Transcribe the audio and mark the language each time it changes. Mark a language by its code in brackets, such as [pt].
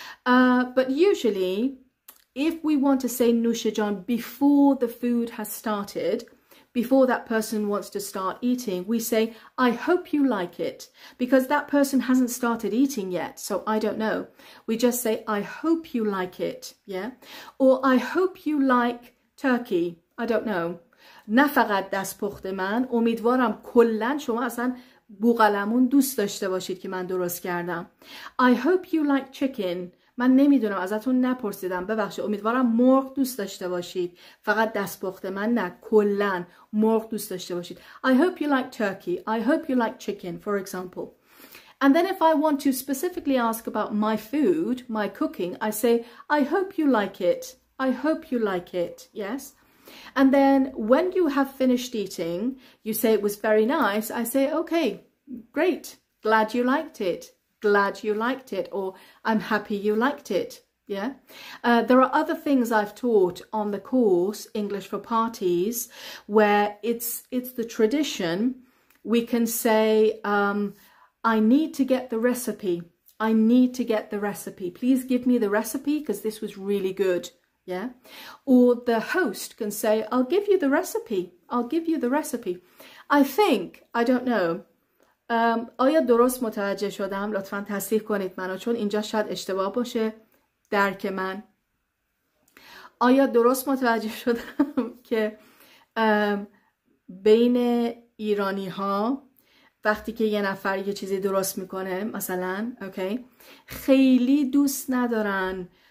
[en] But usually, if we want to say Nushajan before the food has started, before that person wants to start eating, we say, I hope you like it, because that person hasn't started eating yet, so I don't know. We just say, I hope you like it, yeah? Or I hope you like turkey, I don't know. [fa] نه فقط دستپخت من, امیدوارم کلن شما اصلا بوغلمون دوست داشته باشید که من درست کردم. [en] I hope you like chicken, [fa] من نمیدونم ازتون نپرسیدم ببخشید امیدوارم مرغ دوست داشته باشید فقط دست پخته من نه کلن مرغ دوست داشته باشید [en] I hope you like turkey I hope you like chicken for example And then if I want to specifically ask about my food my cooking I say I hope you like it I hope you like it yes And then when you have finished eating you say it was very nice I say okay great glad you liked it Glad you liked it, or I'm happy you liked it. Yeah. There are other things I've taught on the course English for Parties where it's the tradition. We can say, I need to get the recipe. I need to get the recipe. Please give me the recipe because this was really good. Yeah. Or the host can say, I'll give you the recipe. I'll give you the recipe. I think, I don't know. [fa] آیا درست متوجه شدم؟ لطفاً تصحیح کنید منو چون اینجا شاید اشتباه باشه درک من. آیا درست متوجه شدم که بین ایرانی ها وقتی که یه نفر یه چیزی درست میکنه مثلا اوکی خیلی دوست ندارن